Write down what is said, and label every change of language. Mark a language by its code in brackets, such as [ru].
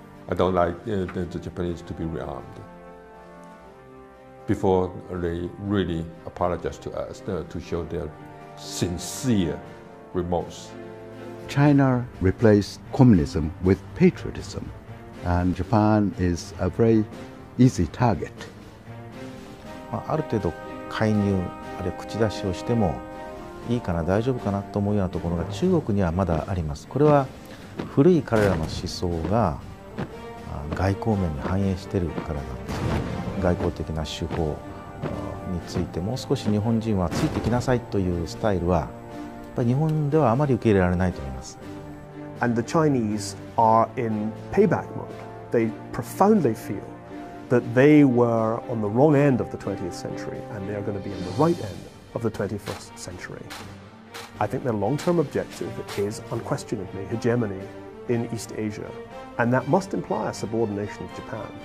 [en] I don't like the Japanese to be rearmed before they really apologize to us, to show their sincere remorse. China replaced communism with patriotism, and Japan is a very easy target. [ja] ある程度介入あるいは口出しをしてもいいかな大丈夫かなと思うようなところが中国にはまだあります。これは古い彼らの思想が外交面に反映しているからなんです。外交的な手法についてもう少し日本人はついてきなさいというスタイルはやっぱり日本ではあまり受け入れられないと思います。 [en] And the Chinese are in payback mode. They profoundly feelthat they were on the wrong end of the 20th century and they are going to be on the right end of the 21st century. I think their long-term objective is unquestionably hegemony in East Asia, and that must imply a subordination of Japan.